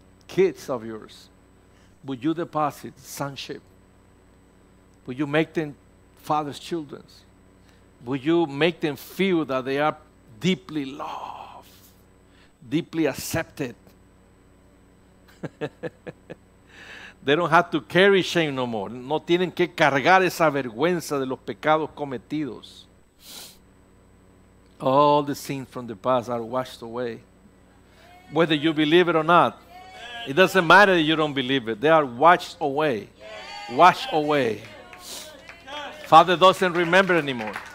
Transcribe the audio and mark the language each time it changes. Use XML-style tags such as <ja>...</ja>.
<en>kids of yours, would you deposit sonship? Would you make them father's children? Would you make them feel that they are deeply loved, deeply accepted? They don't have to carry shame no more.</en> <es>No tienen que cargar esa vergüenza de los pecados cometidos.</es> <en>All the sins from the past are washed away. Whether you believe it or not, it doesn't matter if you don't believe it. They are washed away. Washed away. Father doesn't remember anymore.</en>